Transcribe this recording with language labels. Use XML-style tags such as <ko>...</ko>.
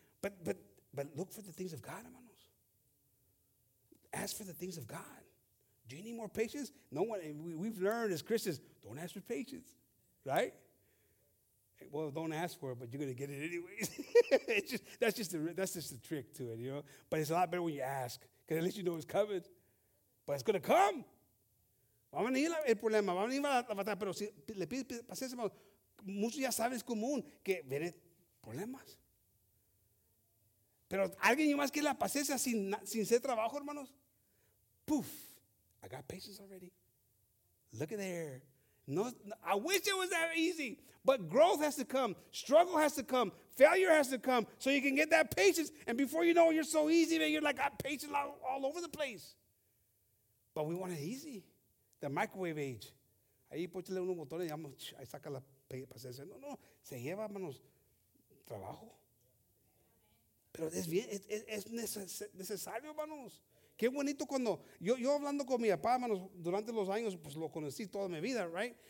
<en>But look for the things of God, hermanos. Ask for the things of God. Do you need more patience? No one. We've learned as Christians, don't ask for patience, right? Well, don't ask for it, but you're going to get it anyways. that's just the trick to it, you know. But it's a lot better when you ask, because at least you know it's coming. But it's going to come.</en> <es>Vamos a venir el problema, vamos a venir la batalla, pero si le pides paciencia, muchos ya saben, es común que viene problemas. Pero alguien más quiere la paciencia sin ser trabajo, hermanos.</es> <en>Poof, I got patience already. Look at there. No, I wish it was that easy, but growth has to come, struggle has to come, failure has to come, so you can get that patience. And before you know it, you're so easy that you're like, I'm patient all over the place. But we want it easy. The microwave age.</en> <es>Ahí ponchele unos botones y ahí saca la paciencia. No, se lleva, manos, trabajo. Pero es bien, es necesario, manos. Qué bonito cuando yo hablando con mi papá, hermanos, durante los años, pues lo conocí toda mi vida, right?</es>